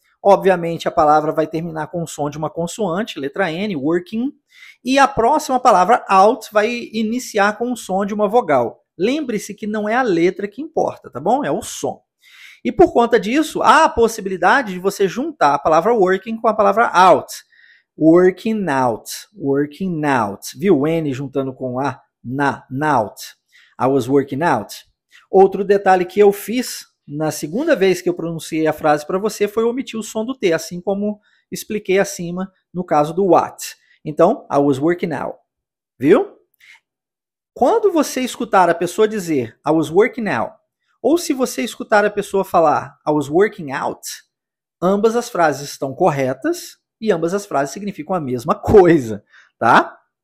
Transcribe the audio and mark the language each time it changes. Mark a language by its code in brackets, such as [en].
[pt] Obviamente, a palavra vai terminar com o som de uma consoante, letra N, working. E a próxima palavra, out, vai iniciar com o som de uma vogal. Lembre-se que não é a letra que importa, tá bom? É o som. E por conta disso, há a possibilidade de você juntar a palavra working com a palavra out. [en] Working out, working out. [pt] Viu o N juntando com a na, out. [en] I was working out. [pt] Outro detalhe que eu fiz na segunda vez que eu pronunciei a frase para você foi omitir o som do T, assim como expliquei acima no caso do what. Então, [en] I was working out. [pt] Viu? Quando você escutar a pessoa dizer I was working out, ou se você escutar a pessoa falar I was working out, ambas as frases estão corretas e ambas as frases significam a mesma coisa, tá?